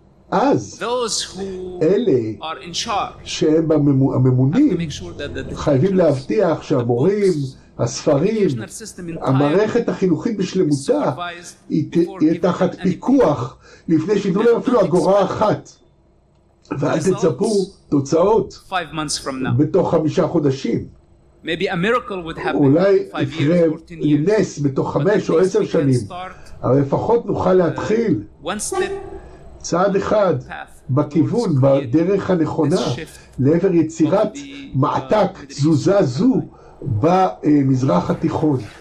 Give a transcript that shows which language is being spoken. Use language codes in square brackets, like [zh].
[he] אז אלה שהם הממונים חייבים להבטיח שהמורים, הספרים, המערכת החינוכית בשלמותה יהיה תחת פיקוח לפני שיתנו להם אפילו אגורה אחת. ואל תצפו תוצאות בתוך 5 חודשים. [en] Maybe a miracle would happen in 5 years, 14 years. [he] בתוך 5 או 10 שנים. אבל לפחות נוכל להתחיל צעד אחד בכיוון, בדרך הנכונה, לעבר יצירת מעתק, תזוזה זו, במזרח התיכון.